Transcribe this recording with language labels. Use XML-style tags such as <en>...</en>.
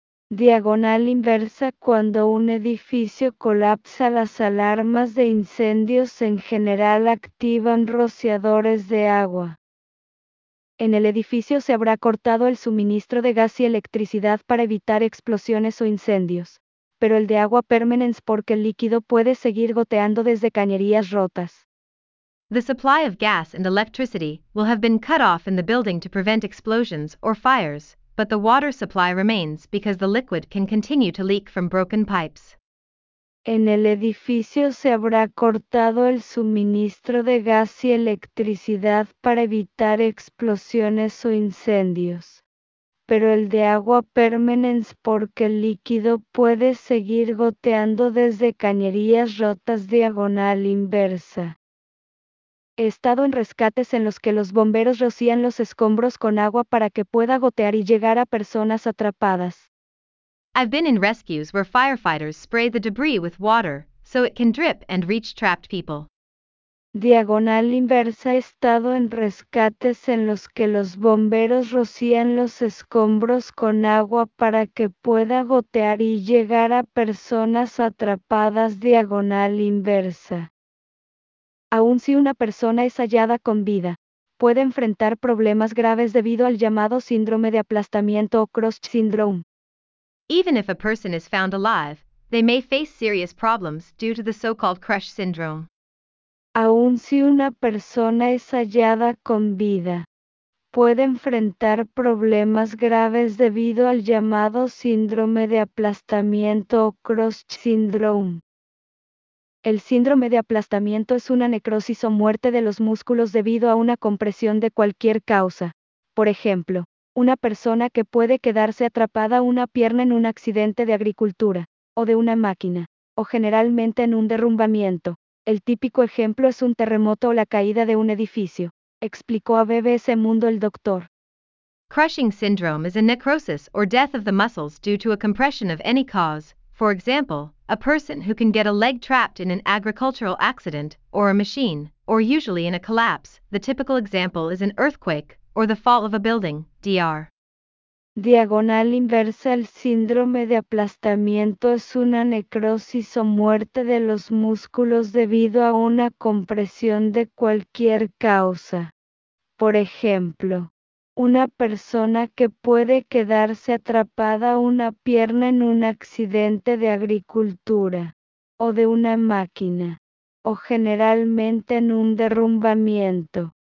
<es>Diagonal inversa, cuando un edificio colapsa, las alarmas de incendios en general activan rociadores de agua. En el edificio se habrá cortado el suministro de gas y electricidad para evitar explosiones o incendios, pero el de agua permanece porque el líquido puede seguir goteando desde cañerías rotas.</es> <en>The supply of gas and electricity will have been cut off in the building to prevent explosions or fires. But the water supply remains because the liquid can continue to leak from broken pipes.</en> <es>En el edificio se habrá cortado el suministro de gas y electricidad para evitar explosiones o incendios. Pero el de agua permanece porque el líquido puede seguir goteando desde cañerías rotas diagonal inversa. He estado en rescates en los que los bomberos rocían los escombros con agua para que pueda gotear y llegar a personas atrapadas.</es> <en>I've been in rescues where firefighters spray the debris with water, so it can drip and reach trapped people.</en> <es>Diagonal inversa, he estado en rescates en los que los bomberos rocían los escombros con agua para que pueda gotear y llegar a personas atrapadas. Diagonal inversa. Aun si una persona es hallada con vida, puede enfrentar problemas graves debido al llamado síndrome de aplastamiento o Crouch syndrome.</es> <en>Even if a person is found alive, they may face serious problems due to the so-called Crouch syndrome.</en> <es>Aun si una persona es hallada con vida, puede enfrentar problemas graves debido al llamado síndrome de aplastamiento o Crouch syndrome. El síndrome de aplastamiento es una necrosis o muerte de los músculos debido a una compresión de cualquier causa. Por ejemplo, una persona que puede quedarse atrapada una pierna en un accidente de agricultura, o de una máquina, o generalmente en un derrumbamiento. El típico ejemplo es un terremoto o la caída de un edificio, explicó a BBC Mundo el doctor.</es> <en>Crushing syndrome is a necrosis or death of the muscles due to a compression of any cause. For example, a person who can get a leg trapped in an agricultural accident, or a machine, or usually in a collapse. The typical example is an earthquake, or the fall of a building, DR.</en> <es>Diagonal inversa, el síndrome de aplastamiento es una necrosis o muerte de los músculos debido a una compresión de cualquier causa. Por ejemplo, una persona que puede quedarse atrapada una pierna en un accidente de agricultura, o de una máquina, o generalmente en un derrumbamiento.</es>